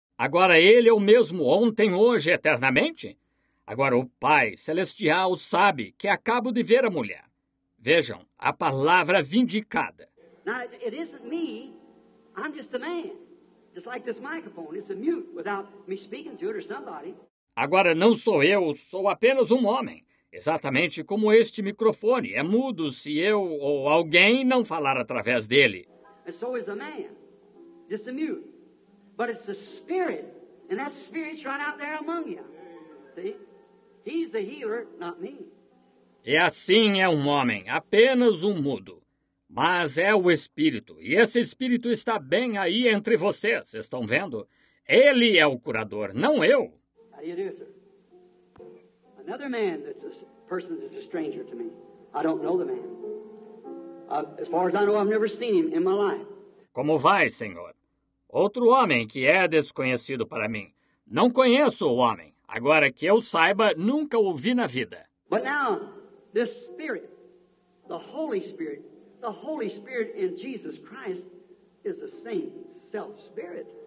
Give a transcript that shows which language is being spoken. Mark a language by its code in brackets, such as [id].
[pt] Agora ele é o mesmo ontem, hoje, eternamente? Agora, o Pai Celestial sabe que acabo de ver a mulher. Vejam, a palavra vindicada. [en] Now, it isn't me. I'm just a man. Just like this microphone. It's a mute without me speaking to it or somebody. [pt] Agora, não sou eu. Sou apenas um homem. Exatamente como este microfone. É mudo se eu ou alguém não falar através dele. [en] And so is a man. Just a mute. But it's the Spirit. And that Spirit's right out there among you. See? He's the healer, not me. [pt] E assim é um homem, apenas um mudo. Mas é o Espírito, e esse Espírito está bem aí entre vocês, estão vendo? Ele é o curador, não eu. [en] How do you do, sir? Another man that's a person that's a stranger to me. I don't know the man. As far as I know, I've never seen him in my life. [pt] Como vai, senhor? Outro homem que é desconhecido para mim. Não conheço o homem. Agora que eu saiba, nunca o vi na vida. [en] But now, this Spirit, the Holy Spirit, the Holy Spirit in Jesus Christ is the same self-spirit.